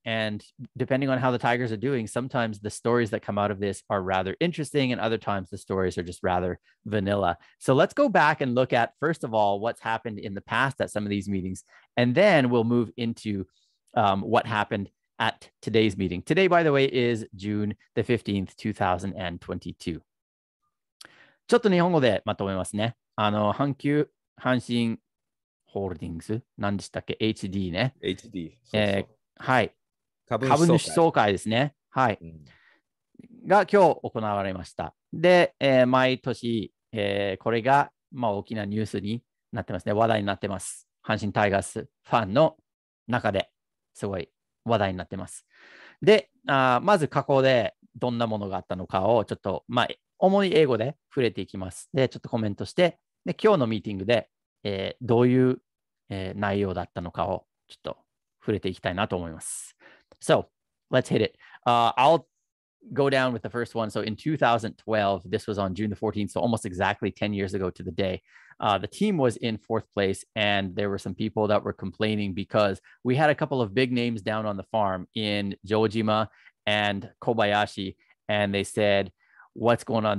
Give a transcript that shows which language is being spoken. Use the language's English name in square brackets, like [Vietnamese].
[English] And depending on how the Tigers are doing, sometimes the stories that come out of this are rather interesting, and other times the stories are just rather vanilla. So let's go back and look at, first of all, what's happened in the past at some of these meetings. And then we'll move into what happened. At today's meeting. Today, by the way, is June the 15th, 2022. [Japanese] ちょっと日本語でまとめますね。あの、阪急阪神ホールディングス、何でしたっけ ?HD ね。 HD。はい。株主総会ですね。はい。うん、が今日行われました。で、毎年、これが、まあ、大きなニュースになってますね。話題になってます。阪神タイガースファンの中ですごい。話題になってます。で、まず過去でどんなものがあったのかをちょっと、まあ、主に英語で触れていきます。で、ちょっとコメントして、で、今日のミーティングで、どういう、内容だったのかをちょっと触れていきたいなと思います。 [English] So, let's hit it. I'll go down with the first one. So, in 2012, this was on June the 14th, so almost exactly 10 years ago to the day. The team was in fourth place, and there were some people that were complaining because we had a couple of big names down on the farm in Jojima and Kobayashi, and they said, what's going on?